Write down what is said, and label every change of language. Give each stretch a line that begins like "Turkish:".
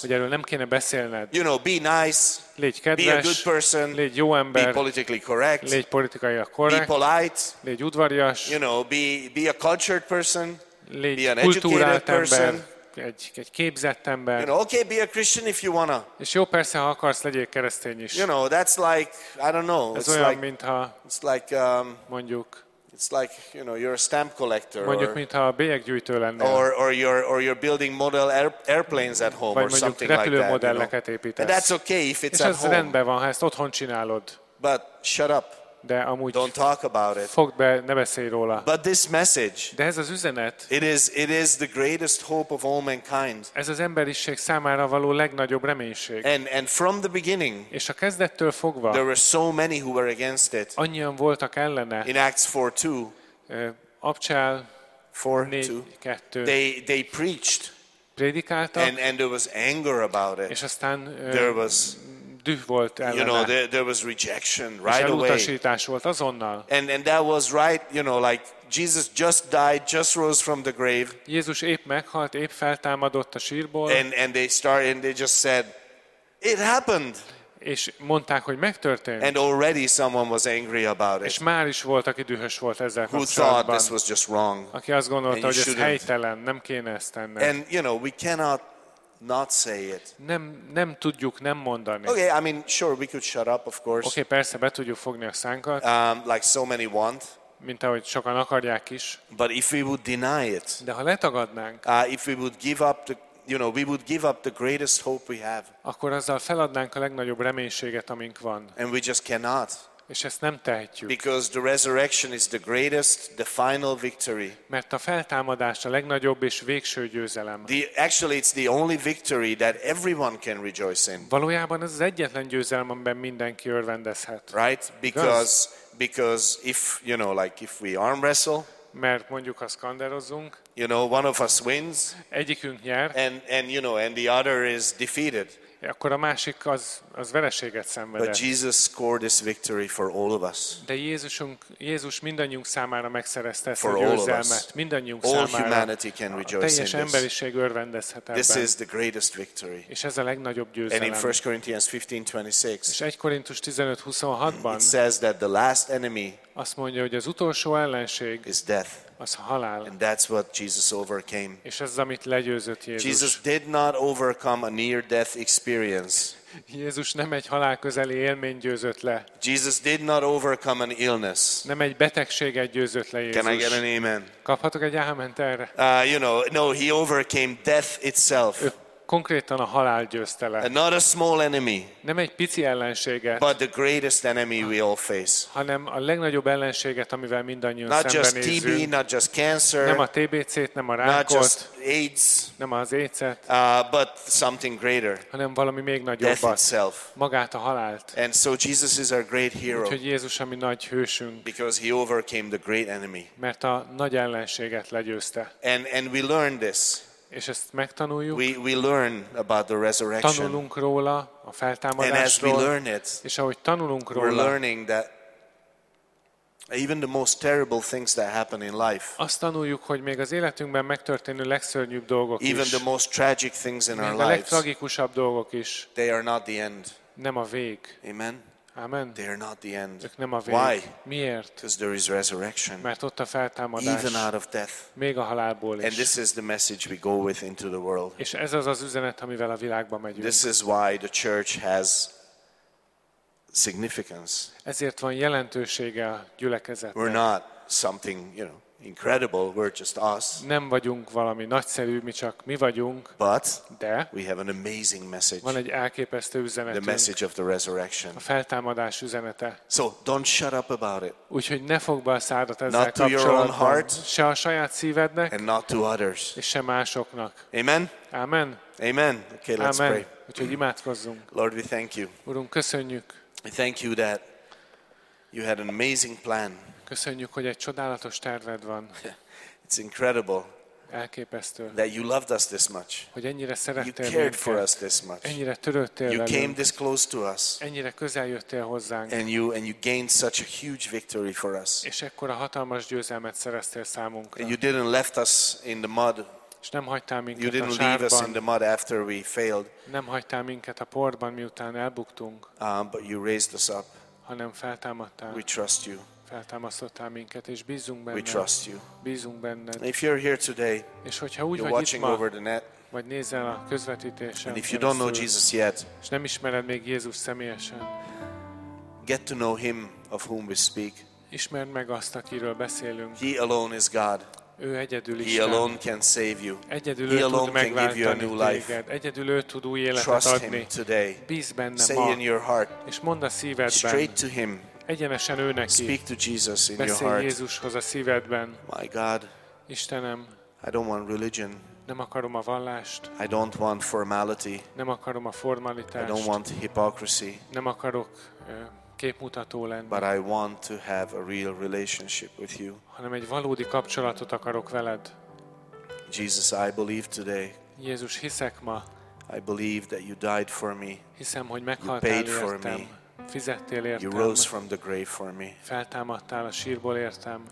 Hungarian: Hogy erről nem kéne beszélned.
English: You know, be nice.
Hungarian: Légy kedves.
English: Be a good person.
Hungarian: Légy jó ember.
English: Be politically correct.
Hungarian: Légy politikailag korrekt.
English: Be polite.
Hungarian: Légy udvarias.
English: You know, be a cultured person.
Hungarian: Légy
English: be an educated person.
Hungarian: Egy képzett ember.
English: You know, okay, be a Christian if you wanna.
Hungarian: És jó, persze, ha akarsz, legyél keresztény is.
English: You know, that's like, I don't know.
Hungarian: Ez olyan, mintha.
English: It's like
Hungarian: mondjuk.
English: It's like, you know, you're a stamp collector,
Hungarian: mondjuk,
English: or you're building model airplanes at home,
Hungarian: vagy
English: or something like that. You know?
Hungarian: Repülőmodelleket építesz.
English: And that's okay if it's
Hungarian: és
English: at home.
Hungarian: Rendben van, ha ezt otthon csinálod.
English: But shut up.
Hungarian: De amúgy
English: don't talk about it.
Hungarian: Fogd be, ne beszélj róla.
English: But this message.
Hungarian: De ez az üzenet.
English: It is the greatest hope of all mankind.
Hungarian: Ez az emberiség számára való legnagyobb reménység.
English: And from the beginning.
Hungarian: És a kezdettől fogva.
English: There were so many who were against it.
Hungarian: Annyian voltak ellene.
English: In Acts 4:2.
Hungarian: Apcsál 4:2.
English: They preached.
Hungarian: Prédikáltak.
English: And there was anger about it.
Hungarian: És aztán
English: there was
Hungarian: volt ellene.
English: You know, there was rejection right away.
Hungarian: És elutasítás volt azonnal.
English: And that was right, you know, like Jesus just died, just rose from the grave.
Hungarian: Jézus épp meghalt, épp feltámadott a sírból.
English: And they started, and they just said, it happened.
Hungarian: és mondták, hogy megtörtént.
English: And already someone was angry about it.
Hungarian: És már is volt, aki dühös volt ezzel kapcsolatban.
English: Who thought this was just wrong?
Hungarian: Aki azt gondolta, hogy ez helytelen, nem kéne ezt tenni.
English: And you know, we cannot not say it.
Hungarian: Nem tudjuk nem mondani.
English: Okay, I mean, sure, we could shut up, of course.
Hungarian: Okay, persze, be tudjuk fogni a szánkat.
English: Like so many want.
Hungarian: Mint ahogy sokan akarják is.
English: But if we would deny it.
Hungarian: De ha letagadnánk.
English: If we would give up the, you know, we would give up the greatest hope we have.
Hungarian: Akkor azzal feladnánk a legnagyobb reménységet, amink van.
English: And we just cannot.
Hungarian: És ezt nem tehetjük.
English: Because the resurrection is the greatest, the final victory.
Hungarian: Mert a feltámadás a legnagyobb és végső győzelem.
English: Actually, it's the only victory that everyone can rejoice in.
Hungarian: Valójában ez az egyetlen győzelem, amiben mindenki örvendezhet.
English: Right? Because if, you know, like if we arm wrestle,
Hungarian: mert mondjuk ha szkanderozzunk,
English: you know, one of us wins,
Hungarian: egyikünk nyer,
English: and you know, and the other is defeated.
Hungarian: Akkor a másik az vereséget szenvedett.
English: But Jesus scored this victory for all of us.
Hungarian: De Jézus mindannyunk számára megszerezte ezt a győzelmet. Mindannyunk
English: all
Hungarian: számára.
English: Humanity can rejoice
Hungarian: a teljes emberiség örvendezhet ebben.
English: This is the greatest victory.
Hungarian: És ez a legnagyobb győzelem.
English: And in 1 Corinthians 15:26.
Hungarian: És 1 Korintus 15:26-ban.
English: It says that the last enemy.
Hungarian: Azt mondja, hogy az utolsó ellenség.
English: Is death.
Hungarian: Az a halál.
English: And that's what Jesus overcame.
Hungarian: És ez, amit legyőzött Jézus.
English: Jesus did not overcome a near death experience.
Hungarian: Jézus nem egy halál közeli élmény győzött le.
English: Jesus did not overcome an illness.
Hungarian: Nem egy betegséget győzött le Jézus.
English: Can I get an amen?
Hungarian: Kaphatok egy áment erre?
English: You know, no, he overcame death itself.
Hungarian: Konkrétan a halál győzte le.
English: Not a small enemy.
Hungarian: Nem egy pici ellenséget.
English: But the greatest enemy we all face.
Hungarian: Hanem a legnagyobb ellenséget, amivel mindannyian szembenézünk.
English: Not just TB, not just cancer.
Hungarian: Nem a TBC-t, nem a rákot.
English: Not just AIDS.
Hungarian: Nem az AIDS-et.
English: But something greater.
Hungarian: Hanem valami még nagyobbat.
English: Death itself.
Hungarian: Magát a halált.
English: And so Jesus is our great hero.
Hungarian: Úgyhogy Jézus a mi nagy hősünk.
English: Because he overcame the great enemy.
Hungarian: Mert a nagy ellenséget legyőzte.
English: And we learn this.
Hungarian: És ezt megtanuljuk.
English: We learn about the resurrection.
Hungarian: Tanulunk róla a feltámadásról.
English: And as we learn it,
Hungarian: és ahogy tanulunk róla,
English: we're learning that even the most terrible things that happen in life,
Hungarian: azt tanuljuk, hogy még az életünkben megtörténő legszörnyűbb dolgok is,
English: even the most tragic things in our lives,
Hungarian: még a legtragikusabb dolgok is,
English: they are not the end.
Hungarian: Nem a vég. Amen. Amen.
English: They are not the end.
Hungarian: Ők nem a vég.
English: Why?
Hungarian: Miért?
English: Because there is resurrection.
Hungarian: Mert ott a feltámadás.
English: Even out of death.
Hungarian: Még a halálból is.
English: And this is the message we go with into the world.
Hungarian: És ez az üzenet, amivel a világba megyünk.
English: This is why the church has significance.
Hungarian: Ezért van jelentősége a gyülekezetnek.
English: We're not something, you know, incredible. We're just us.
Hungarian: Nem vagyunk valami nagyszerű, mi csak mi vagyunk.
English: But
Hungarian: de
English: we have an amazing message.
Hungarian: Van egy elképesztő üzenetünk.
English: The message of the resurrection.
Hungarian: A feltámadás üzenete.
English: So don't shut up about it.
Hungarian: Úgyhogy ne fogd be a szádat ezzel
English: not
Hungarian: kapcsolatban.
English: To your own heart,
Hungarian: se a saját szívednek.
English: And not to others.
Hungarian: És se másoknak. Amen. Amen.
English: Amen. Okay, let's Amen. Pray.
Hungarian: Úgyhogy imádkozzunk.
English: Lord, we thank you.
Hungarian: Urunk, köszönjük.
English: We thank you that you had an amazing plan.
Hungarian: Köszönjük, hogy egy csodálatos terved van.
English: It's incredible.
Hungarian: Elképesztő.
English: That you loved us this much.
Hungarian: Hogy ennyire szerettél.
English: You cared for us this much.
Hungarian: Ennyire törődtél velünk.
English: You came this close to us.
Hungarian: Ennyire közel jöttél hozzánk.
English: And you gained such a huge victory for us.
Hungarian: És ekkora hatalmas győzelmet szereztél számunkra.
English: And you didn't left us in the mud.
Hungarian: És nem hagytál minket a sárban.
English: You didn't leave us in the mud after we failed.
Hungarian: Nem hagytál minket a porban, miután elbuktunk.
English: But you raised us up.
Hungarian: Hanem feltámadtál.
English: We trust you.
Hungarian: Feltámasztottál minket, és bízunk benned.
English: We trust you.
Hungarian: Bízunk benned.
English: If you're here today,
Hungarian: és hogyha úgy
English: you're
Hungarian: vagy
English: watching
Hungarian: itt ma,
English: over the net,
Hungarian: vagy nézel a közvetítésen,
English: and if you don't know Jesus yet,
Hungarian: és nem ismered még Jézus személyesen,
English: get to know him of whom we speak.
Hungarian: Ismerd meg azt, akiről beszélünk.
English: He alone is God.
Hungarian: Ő egyedül Isten.
English: He alone can save you.
Hungarian: Egyedül
English: he
Hungarian: ő
English: alone
Hungarian: tud megváltani
English: can give you a new life.
Hungarian: Téged. Egyedül ő tud új életet
English: trust
Hungarian: adni.
English: Him today.
Hungarian: Bíz benne
English: say
Hungarian: ma.
English: In your heart.
Hungarian: És mondd a szívedben.
English: Straight to him.
Hungarian: Egyenesen ő neki.
English: Speak to Jesus in
Hungarian: beszélj
English: your heart.
Hungarian: Jézushoz a szívedben.
English: My God.
Hungarian: Istenem.
English: I don't want religion.
Hungarian: Nem akarom a vallást.
English: I don't want formality.
Hungarian: Nem akarom a formalitást.
English: I don't want hypocrisy.
Hungarian: Nem akarok képmutató lenni.
English: But I want to have a real relationship with you.
Hungarian: Hanem egy valódi kapcsolatot akarok veled.
English: Jesus, I believe today.
Hungarian: Jézus, hiszek ma.
English: I believe that you died for me.
Hungarian: Hiszem, hogy meghaltál értem.
English: You paid for me.
Hungarian: Fizettél értem.
English: You rose from the grave for me.
Hungarian: Feltámadtál a sírból értem.